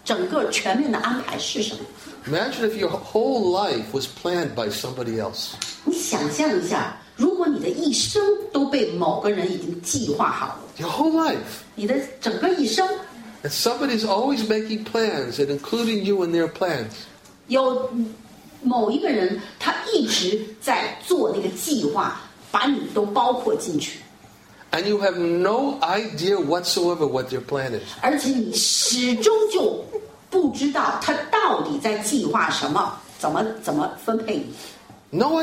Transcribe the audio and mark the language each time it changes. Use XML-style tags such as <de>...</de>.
<zh>如果你让他做点什么事情，他得先告诉你说你的计划到底是什么，这样的话我才能够做。他说，尤其是他，就是这样，让他做事，他要先知道整个全面的安排是什么。</zh> <en>Imagine if your whole life was planned by somebody else.</en> <zh>你想象一下，如果你的一生都被某个人已经计划好了。</zh> <en>Your whole life.</en> <zh>你的整个一生。</zh> <en>And somebody's always making plans and including you in their plans.</en> <zh>某一个人，他一直在做那个计划，把你都包括进去。</zh> <en>And you have no idea whatsoever what their plan is.</en> <zh>而且你始终就不知道他到底在计划什么，怎么分配你。</zh> <en>No</en>